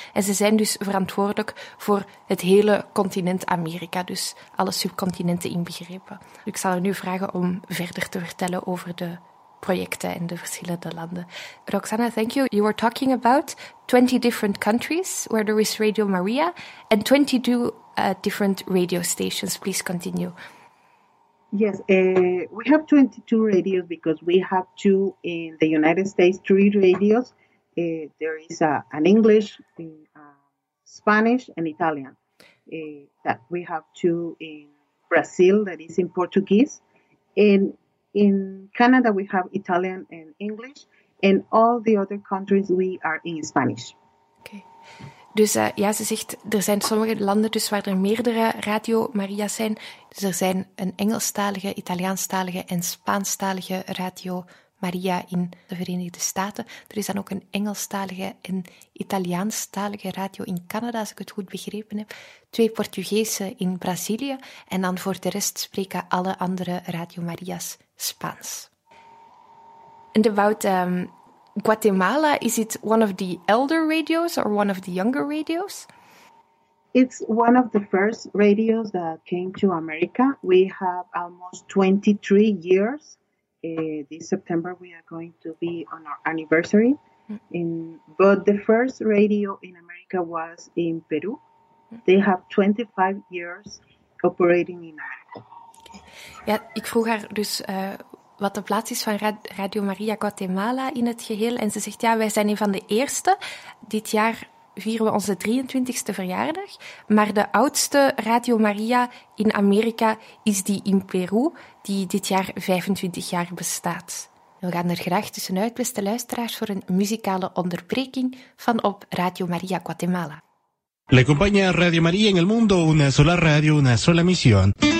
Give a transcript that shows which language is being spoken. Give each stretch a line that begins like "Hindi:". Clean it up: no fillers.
Dutch: En ze zijn dus verantwoordelijk voor het hele continent Amerika, dus alle subcontinenten inbegrepen. Ik zal haar nu vragen om verder te vertellen over de projecten in de verschillende landen.
English: Roxana, thank you. You were talking about 20 different countries where there is Radio Maria and 22 different radio stations. Please continue. Yes, we have 22 radios because we have two in the United States, three radios. There is an English, Spanish and Italian. That we have two in Brazil that is in Portuguese. In Canada, we have Italian and English. In all the other countries, we are in Spanish. Okay.
Dutch: Dus ja, ze zegt, er zijn sommige landen dus waar er meerdere Radio Maria's zijn. Dus er zijn een Engelstalige, Italiaanstalige en Spaanstalige Radio Maria in de Verenigde Staten. Er is dan ook een Engelstalige en Italiaanstalige radio in Canada, als ik het goed begrepen heb. Twee Portugese in Brazilië. En dan voor de rest spreken alle andere Radio Maria's Spaans.
English: And about Guatemala, is it one of the elder radios or one of the younger radios? It's one of the first radios that came to America. We have almost 23 years. This September, we are going to be on our anniversary. But the first radio in America was in Peru. They have 25 years operating in America. Okay.
Dutch: Ja, ik vroeg haar dus wat de plaats is van Radio Maria Guatemala in het geheel. En ze zegt, ja, wij zijn een van de eerste. Dit jaar vieren we onze 23e verjaardag. Maar de oudste Radio Maria in Amerika is die in Peru, die dit jaar 25 jaar bestaat. We gaan er graag tussenuit, beste luisteraars, voor een muzikale onderbreking van op Radio Maria Guatemala.
Spanish: Le compañía Radio María en el mundo, una sola radio, una sola misión.